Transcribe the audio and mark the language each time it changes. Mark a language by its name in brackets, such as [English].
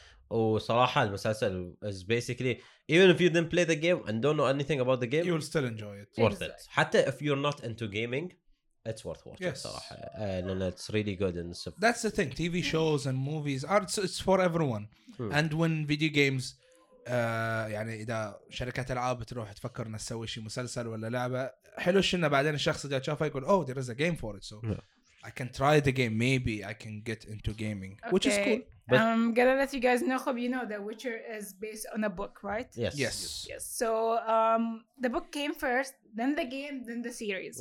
[English] وصراحة المسلسل is basically, even if you didn't play the game and don't know anything about the game, you'll still enjoy it. Worth it. حتى if you're not into gaming, it's worth watching. Yes. صراحة. And it's really good. And so that's the thing. TV shows and movies are it's for everyone. Hmm. And when video games, [Arabic] يعني إذا شركة ألعاب تروح تفكر إن تسوي شيء مسلسل ولا لعبة. حلو شنا بعدين الشخص اللي شافه يقول [English] oh there is a game for it so yeah. I can try the game, maybe I can get into gaming. Okay. Which is cool. But I'm gonna let you guys know, Khob, you know that Witcher is based on a book, right? Yes. Yes. Yes. So the book came first, then the game, then the series.